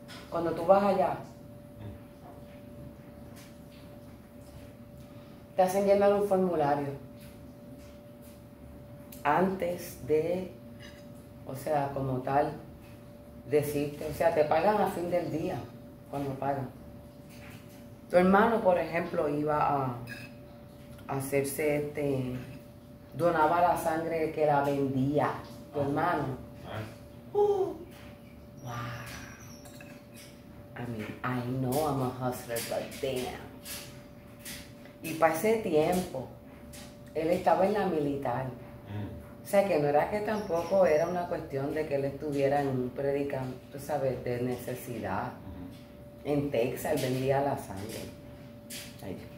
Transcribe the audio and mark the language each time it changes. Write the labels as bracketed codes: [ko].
[es] Cuando tú vas allá, te hacen llenar un formulario antes de, o sea, como tal, decirte, o sea, te pagan a fin del día cuando pagan. Tu hermano, por ejemplo, iba a hacerse donaba la sangre que la vendía tu hermano. [en] Wow. I mean, I know I'm a hustler, but damn. [es] Y para ese tiempo, él estaba en la militar. O sea, que no era que tampoco era una cuestión de que él estuviera en un predicamento, tú sabes, de necesidad. En Texas, él vendía la sangre. Ay.